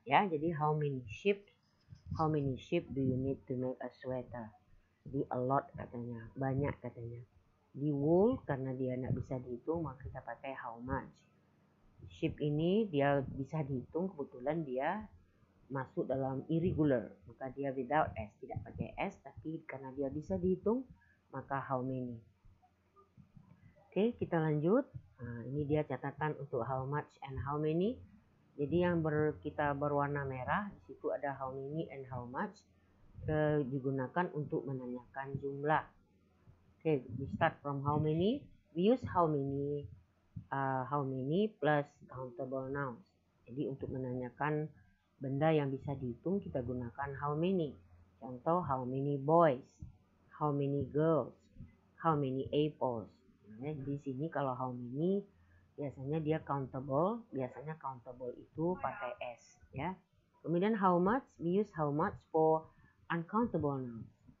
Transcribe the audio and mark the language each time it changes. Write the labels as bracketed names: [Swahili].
[Indonesian] Ya, jadi [English] how many sheep do you need to make a sweater? [Indonesian] Jadi a lot katanya, banyak katanya. Di wool, karena dia tidak bisa dihitung, maka kita pakai how much. Sheep ini dia bisa dihitung, kebetulan dia masuk dalam irregular. Maka dia without S, tidak pakai S, tapi karena dia bisa dihitung, maka how many. Oke, kita lanjut. Nah, ini dia catatan untuk how much and how many. Jadi yang kita berwarna merah, di situ ada how many and how much. Digunakan untuk menanyakan jumlah. [English] Okay, we start from how many. We use how many plus countable nouns. [Indonesian] Jadi untuk menanyakan benda yang bisa dihitung, kita gunakan how many. [English] Contoh, how many boys, how many girls, how many apples. [Indonesian] Jadi di sini kalau how many biasanya dia countable, biasanya countable itu pakai s, ya. [English] Kemudian how much, we use how much for uncountable nouns.